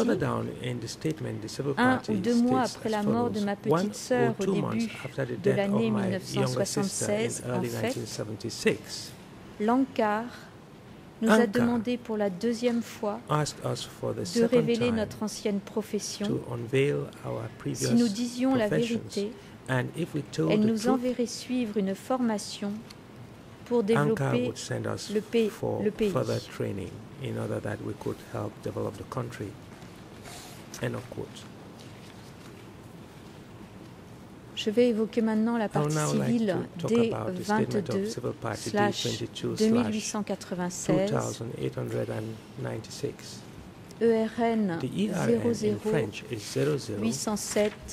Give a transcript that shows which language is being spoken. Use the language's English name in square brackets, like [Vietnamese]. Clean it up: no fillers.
[French] Un ou deux mois après la mort de ma petite sœur au début de l'année 1976, en fait, Lankar nous a demandé pour la deuxième fois de révéler notre ancienne profession. Si nous disions la vérité, elle nous enverrait suivre une formation pour développer le pays. [English] In order that we could help develop the country. End of quote. [French] Je vais évoquer maintenant la partie civile D22/2896.